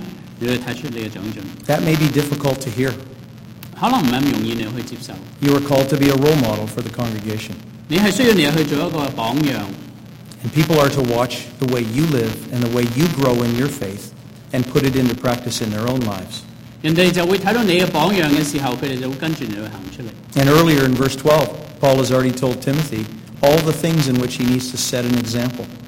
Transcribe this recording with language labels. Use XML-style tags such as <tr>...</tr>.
<zh>保罗这里讲得很清楚，让众人来去看出你的长进。</zh> <en>That may be difficult to hear.</en> <zh>可能不是那么容易来去接受。</zh> <en>You are called to be a role model for the congregation.</en> <zh>你是需要你去做一个榜样。</zh> <en>And people are to watch the way you live and the way you grow in your faith and put it into practice in their own lives. And earlier in verse 12, Paul has already told Timothy all the things in which he needs to set an example.</en>